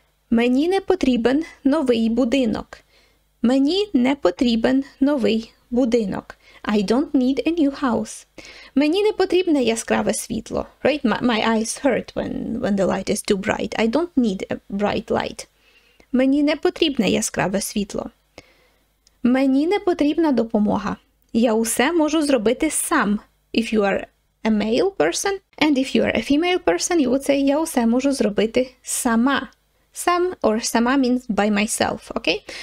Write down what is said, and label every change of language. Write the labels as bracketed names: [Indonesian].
[Ukrainian] Мені не потрібен новий будинок. Мені не потрібен новий будинок. [English] I don't need a new house. [Ukrainian] Мені не потрібне яскраве світло. [English] Right? My eyes hurt when the light is too bright. I don't need a bright light. [Ukrainian] Мені не потрібне яскраве світло. Мені не потрібна допомога. Я усе можу зробити сам. [English] If you are a male person and if you are a female person, you would say [Ukrainian] я усе можу зробити сама. [English] Сам or сама means by myself, okay?